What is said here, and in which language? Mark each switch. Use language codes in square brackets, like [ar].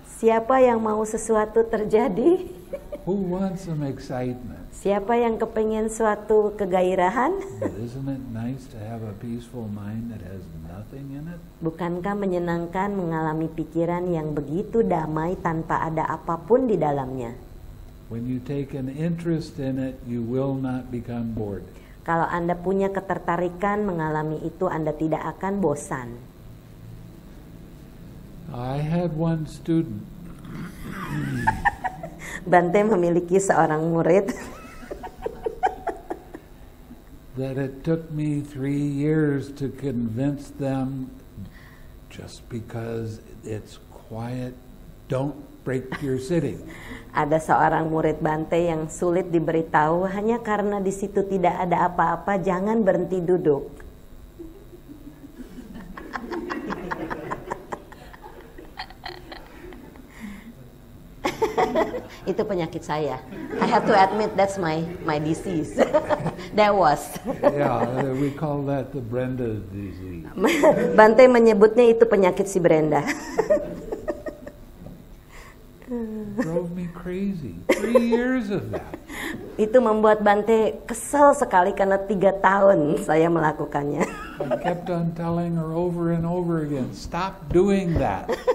[id] Siapa yang mau sesuatu terjadi? [en] Who wants some excitement? [id] Siapa yang kepengen suatu kegairahan? [en] Isn't it nice to have a peaceful mind that has nothing in it? [id] Bukankah menyenangkan mengalami pikiran yang begitu damai tanpa ada apapun di dalamnya? [en] When you take an interest in it, you will not become bored. [id] Kalau Anda punya ketertarikan mengalami itu, Anda tidak akan bosan. [en] I had one student. [id] Bante memiliki seorang murid. [en] That it took me 3 years to convince them, just because it's quiet, don't break your sitting. [id] Ada seorang murid Bante yang sulit diberitahu hanya karena di situ tidak ada apa-apa, jangan berhenti duduk. Itu penyakit saya. [en] I have to admit that's my disease. That was. Yeah, we call that the Brenda disease. [id] Bante menyebutnya itu penyakit si Brenda. [en] Drove me crazy. 3 years of that. [id] Itu membuat Bante kesel sekali karena 3 tahun saya melakukannya. [en] I kept on telling her over and over again, stop doing that.